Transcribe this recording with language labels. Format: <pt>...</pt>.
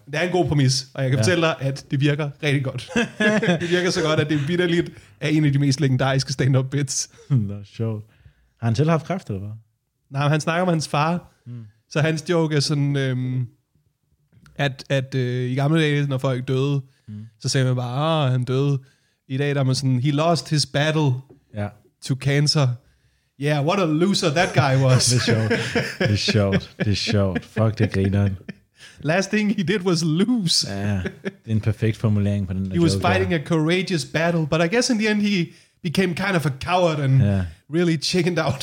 <da>Det er en god præmis, og jeg kan fortælle dig, at det virker rigtig godt. Det virker så godt, at det er bitterligt af en af de mest legendariske stand-up bits. Det er sjovt. Har han selv haft kræft, eller hvad? Nej, han snakker om hans far. Så hans joke er sådan, at i gamle dage, når folk døde, så sagde man bare, han døde. I dag der er man sådan,</da> <en>he lost his battle to cancer. Yeah, what a loser that guy was.</en> <da>Det er sjovt. Det er sjovt. Det er sjovt. Fuck, det griner han.</da> <en>Last thing he did was lose.</en> <da>Ja, det er en perfekt formulering på den der</da> <en>joke. He was fighting a courageous battle, but I guess in the end he became kind of a coward and really chickened out.</en>